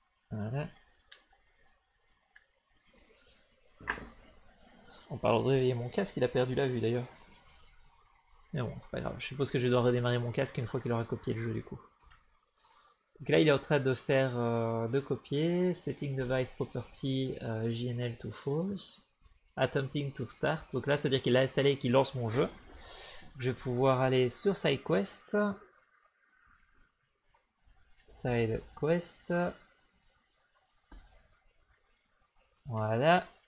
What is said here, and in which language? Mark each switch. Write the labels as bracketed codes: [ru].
[fr] Voilà. En parlant de réveiller mon casque, il a perdu la vue d'ailleurs. Mais bon, c'est pas grave, je suppose que je dois redémarrer mon casque une fois qu'il aura copié le jeu du coup. Donc là, il est en train de faire de copier. [en] Setting device property JNL to false. Attempting to start. [fr] Donc là, c'est-à-dire qu'il a installé et qu'il lance mon jeu. Je vais pouvoir aller sur SideQuest. SideQuest. Voilà.